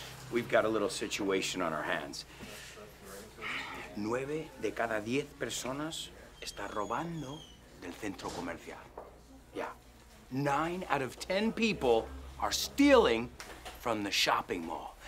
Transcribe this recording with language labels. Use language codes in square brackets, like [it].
[en] We've got a little situation on our hands. [es] 9 de cada 10 personas está robando del centro comercial. [en] Yeah, 9 out of 10 people are stealing from the shopping mall.